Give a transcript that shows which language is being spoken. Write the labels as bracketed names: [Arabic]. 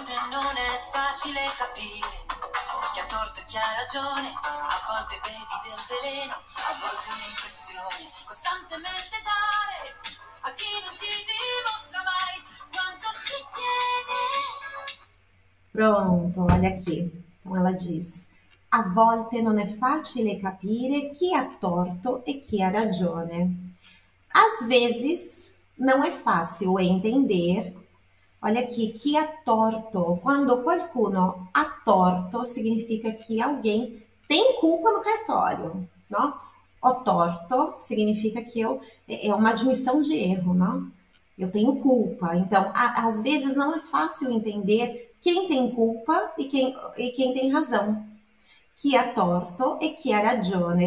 [Italian] Non è facile capire chi ha torto e chi ha ragione, a volte bevi del veleno, a volte un'impressione, costantemente dare a chi non ti dimostra mai quanto ci tiene. [Portuguese] Pronto, olha aqui. Então ela diz: [Italian] a volte non è facile capire chi ha torto e chi ha ragione. [Portuguese] Às vezes não é fácil entender. Olha aqui, [Italian] chi ha torto. Quando qualcuno ha torto, [Portuguese] significa que alguém tem culpa no cartório, no? [Italian] Ho torto [Portuguese] significa que eu é uma admissão de erro, não? Eu tenho culpa. Então, às vezes não é fácil entender. Quem tem culpa e quem tem razão. [Italian] Chi ha torto e chi ha ragione.